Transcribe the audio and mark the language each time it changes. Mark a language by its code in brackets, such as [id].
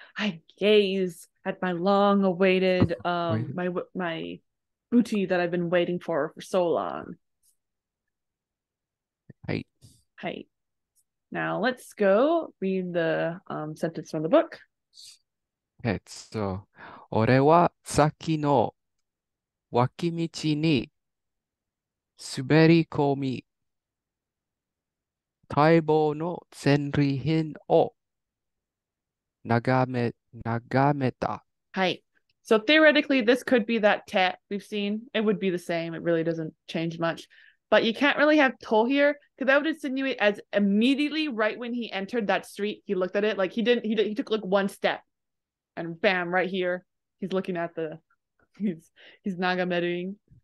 [en] I gaze at my long awaited my booty that I've been waiting for so long. Right. Hi. Now let's go read the sentence from the book. [ja] So, 俺は先の脇道に滑り込み、待望の戦利品を眺めた。はい。 [en] So theoretically, this could be that te we've seen. It would be the same. It really doesn't change much. But you can't really have to here, because that would insinuate as immediately right when he entered that street, he looked at it. Like, he took like one step. And bam, right here, he's looking at the, he's nagamering.